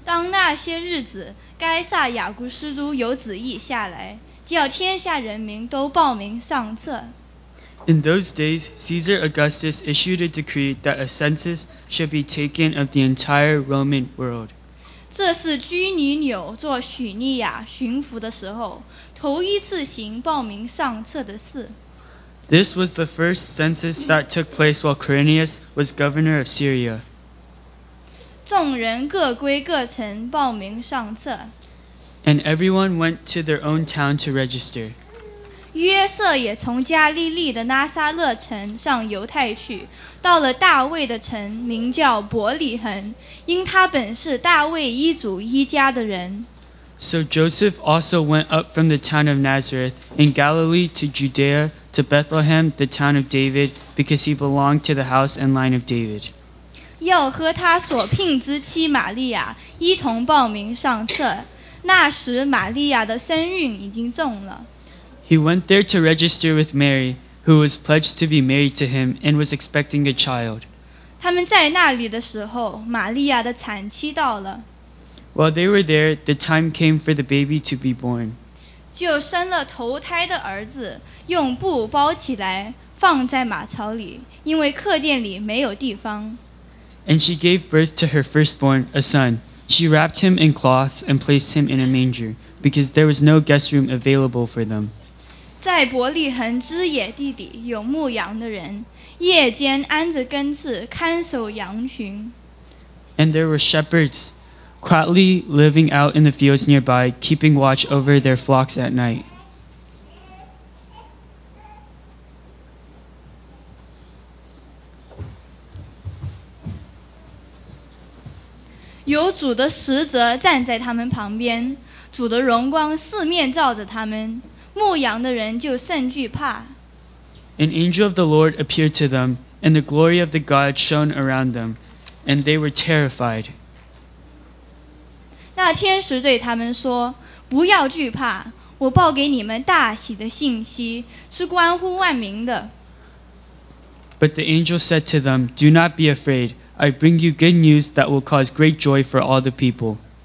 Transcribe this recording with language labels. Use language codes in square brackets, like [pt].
[zh] 那些日子，该萨雅古斯都有旨意下来，叫天下人民都报名上册。 [en] In those days, Caesar Augustus issued a decree that a census should be taken of the entire Roman world. [zh] 这是居尼纽做许利亚巡抚的时候，头一次行报名上册的事。 [en] This was the first census that took place while Quirinius was governor of Syria. [zh] 众人各归各城报名上册。 [en] And everyone went to their own town to register. [zh] 约瑟也从加利利的拿撒勒城上犹太去，到了大卫的城，名叫伯利恒，因他本是大卫一族一家的人。 [en] So Joseph also went up from the town of Nazareth in Galilee to Judea to Bethlehem, the town of David, because he belonged to the house and line of David. [zh] 要和他所聘之妻玛利亚一同报名上册，那时玛利亚的身孕已经重了。 [en] He went there to register with Mary, who was pledged to be married to him and was expecting a child. [zh] 他们在那里的时候，玛利亚的产期到了。 [en] While they were there, the time came for the baby to be born. [zh] 就生了头胎的儿子，用布包起来，放在马槽里，因为客店里没有地方。 [en] And she gave birth to her firstborn, a son. She wrapped him in cloths and placed him in a manger, because there was no guest room available for them. [zh] 在伯利恒之野地里有牧羊的人，夜间安着根刺看守羊群。 [en] And there were shepherds, quietly living out in the fields nearby, keeping watch over their flocks at night. [zh] 有主的使者站在他们旁边，主的荣光四面照着他们，牧羊的人就甚惧怕。 [en] An angel of the Lord appeared to them, and the glory of the God shone around them, and they were terrified. [zh] 那天使对他们说：不要惧怕，我报给你们大喜的信息，是关乎万民的。 [en] But the angel said to them, Do not be afraid. I bring you good news that will cause great joy for all the people.